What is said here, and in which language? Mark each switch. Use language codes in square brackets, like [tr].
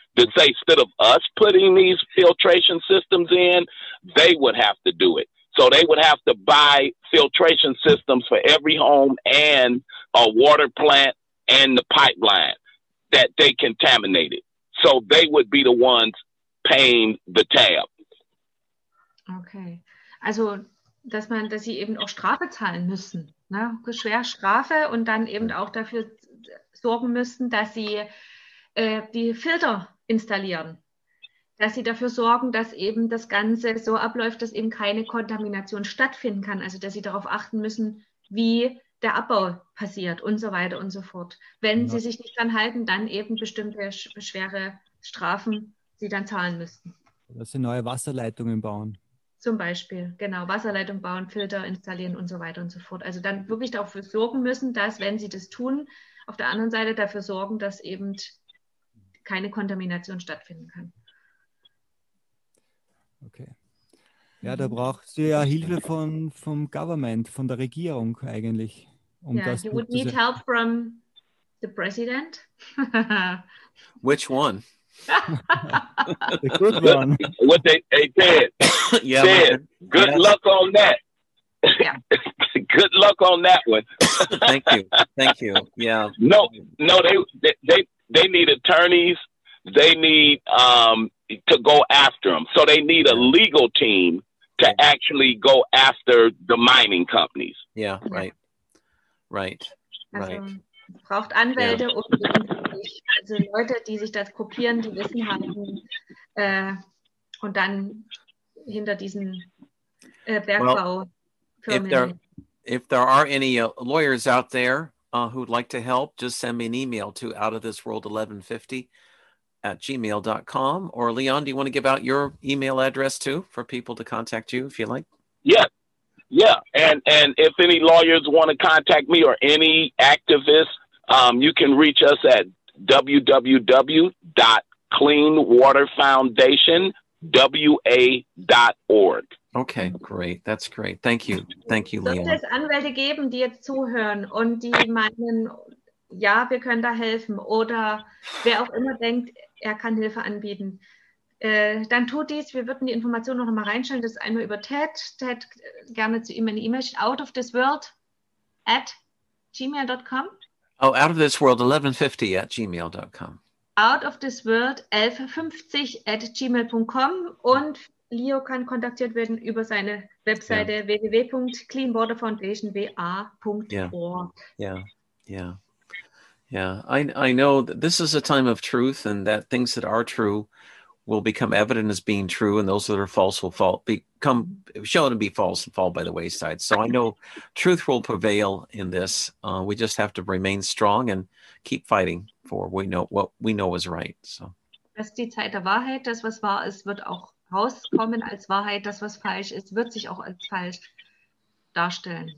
[en] To say, instead of us putting these filtration systems in, they would have to do it. So they would have to buy filtration systems for every home and a water plant and the pipeline that they contaminated. So they would be the ones Pain the Tab. [de] Okay, also dass man, dass sie eben auch Strafe zahlen müssen, ne? Beschwerstrafe und dann eben auch dafür sorgen müssen, dass sie die Filter installieren, dass sie dafür sorgen, dass eben das Ganze so abläuft, dass eben keine Kontamination stattfinden kann, also dass sie darauf achten müssen, wie der Abbau passiert und so weiter und so fort. Wenn sie sich nicht dran halten, dann eben bestimmte schwere Strafen sie dann zahlen müssen. Dass sie neue Wasserleitungen bauen. Zum Beispiel, genau, Wasserleitung bauen, Filter installieren und so weiter und so fort. Also dann wirklich dafür sorgen müssen, dass, wenn sie das tun, auf der anderen Seite dafür sorgen, dass eben keine Kontamination stattfinden kann. Okay. Ja, da braucht sie ja Hilfe vom Government, von der Regierung eigentlich. [en] Das you would need help from the president. Which one? The good one. What they did. Yeah, Ted, good luck on that. Good luck on that one. Thank you. Yeah. No, they need attorneys. They need to go after them. So they need a legal team to actually go after the mining companies. Yeah, right. Right. [de] Also, braucht Anwälte, also Leute, die sich das kopieren, die Wissen haben, und dann hinter diesen Bergbaufirmen. [en] If there are any lawyers out there who'd like to help, just send me an email to outofthisworld1150@gmail.com. Or Leon, do you want to give out your email address too for people to contact you if you like? Yeah. And if any lawyers want to contact me or any activists, you can reach us at www.cleanwaterfoundationwa.org. Okay, great. That's great. Thank you, Leon. [de] Wird es Anwälte geben, die jetzt zuhören und die meinen, ja, wir können da helfen, oder wer auch immer denkt, er kann Hilfe anbieten, dann tut dies. Wir würden die Information noch mal reinstellen. Das ist einmal über Ted, gerne zu ihm eine E-Mail, outofthisworld@gmail.com. Oh, outofthisworld1150@gmail.com. outofthisworld1150@gmail.com. Und Leo kann kontaktiert werden über seine Webseite www.cleanwaterfoundationwa.org. [en] Yeah. I know that this is a time of truth, and that things that are true will become evident as being true, and those that are false will fall, become shown to be false and fall by the wayside. So I know truth will prevail in this. We just have to remain strong and keep fighting for what we know is right. So. [de] Das ist die Zeit der Wahrheit. Das, was wahr ist, wird auch rauskommen als Wahrheit. Das, was falsch ist, wird sich auch als falsch darstellen.